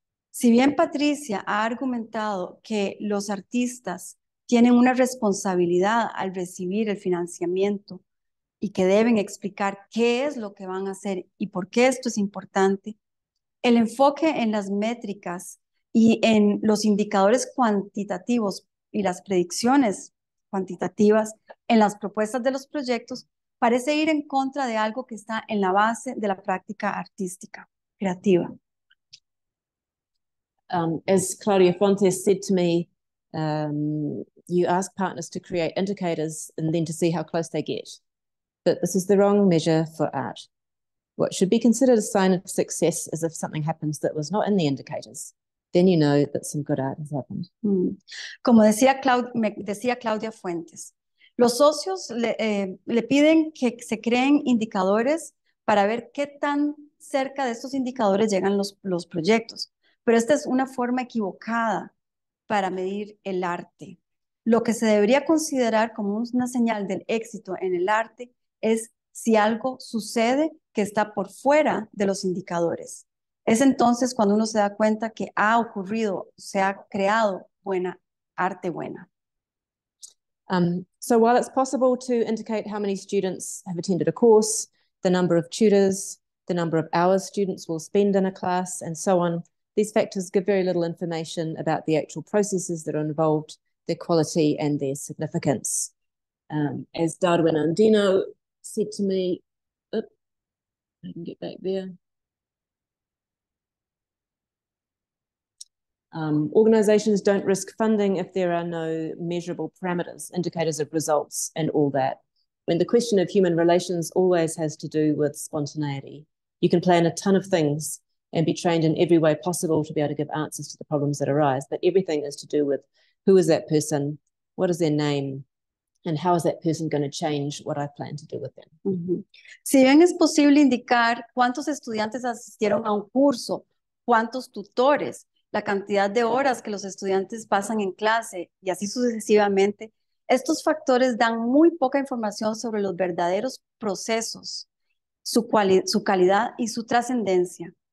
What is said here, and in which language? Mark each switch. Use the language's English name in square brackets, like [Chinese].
[Spanish] Si bien Patricia ha argumentado que los artistas tienen una responsabilidad al recibir el financiamiento y que deben explicar qué es lo que van a hacer y por qué esto es importante, el enfoque en las métricas y en los indicadores cuantitativos y las predicciones cuantitativas en las propuestas de los proyectos parece ir en contra de algo que está en la base de la práctica artística creativa. [English] As Claudia Fontes said to me, you ask partners to create indicators and then to see how close they get. But this is the wrong measure for art. What should be considered a sign of success is if something happens that was not in the indicators. Then you know that some good art has happened. [Spanish] Como decía, decía Claudia Fuentes, los socios le piden que se creen indicadores para ver qué tan cerca de estos indicadores llegan los proyectos. Pero esta es una forma equivocada para medir el arte. Lo que se debería considerar como una señal del éxito en el arte es si algo sucede que está por fuera de los indicadores. Es entonces cuando uno se da cuenta que ha ocurrido, se ha creado buena arte buena. [English] So while it's possible to indicate how many students have attended a course, the number of tutors, the number of hours students will spend in a class, and so on, these factors give very little information about the actual processes that are involved, their quality and their significance. As Darwin Andino said to me, I can get back there. Organizations don't risk funding if there are no measurable parameters, indicators of results and all that. When the question of human relations always has to do with spontaneity, you can plan a ton of things and be trained in every way possible to be able to give answers to the problems that arise. But everything is to do with who is that person, what is their name, and how is that person going to change what I plan to do with them. [Spanish] Si bien es posible indicar cuántos estudiantes asistieron a un curso, cuántos tutores, la cantidad de horas que los estudiantes pasan en clase y así sucesivamente, estos factores dan muy poca información sobre los verdaderos procesos, su calidad y su trascendencia.